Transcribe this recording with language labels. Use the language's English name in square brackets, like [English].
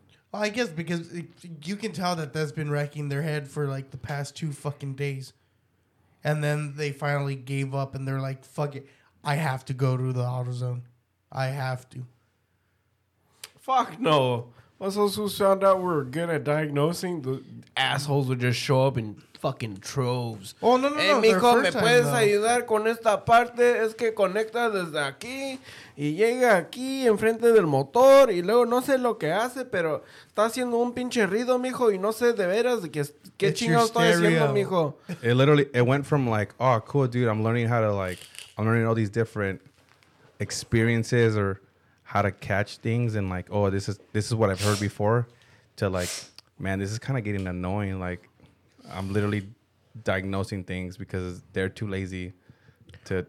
[English] Well, I guess because you can tell that that's been racking their head for, like, the past two fucking days. And then they finally gave up and they're like, fuck it. I have to go to the AutoZone. I have to. Fuck no. Once those found out we're good at diagnosing, the assholes would just show up in fucking troves. Oh, no, no, no. Hey, [Spanish] mijo, ¿me puedes ayudar con esta parte? Es que conecta desde aquí y llega aquí enfrente del motor y luego no sé lo que hace, pero está haciendo un pinche ruido, mijo, y no sé de veras de qué chingados está haciendo, mijo. [English] It went from like, oh, cool, dude, I'm learning all these different experiences or how to catch things and like, oh, this is what I've heard before to like, man, this is kind of getting annoying. Like, I'm literally diagnosing things because they're too lazy to.